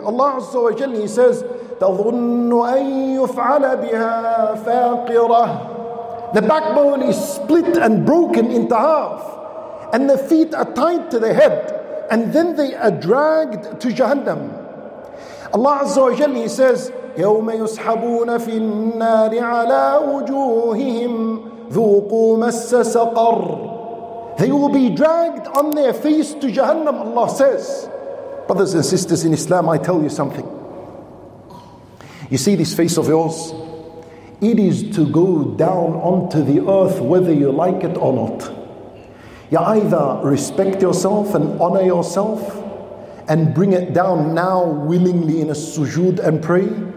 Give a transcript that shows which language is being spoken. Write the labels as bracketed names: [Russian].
[Arabic] Allah Azza wa Jalla, [English] he says, [Arabic] تَظُنُّ أَن يُفْعَلَ بِهَا فَاقِرَةً. [English] The backbone is split and broken into half, and the feet are tied to the head, and then they are dragged to Jahannam. [Arabic] Allah Azza wa Jalla, [English] he says, [Arabic] يَوْمَ يُسْحَبُونَ فِي النَّارِ عَلَىٰ وُجُوهِهِمْ ذُوقُوا مَسَّ سَقَرٍ. [English] They will be dragged on their face to Jahannam, Allah says. Brothers and sisters in Islam, I tell you something. You see this face of yours? It is to go down onto the earth whether you like it or not. You either respect yourself and honor yourself and bring it down now willingly in a sujood and pray.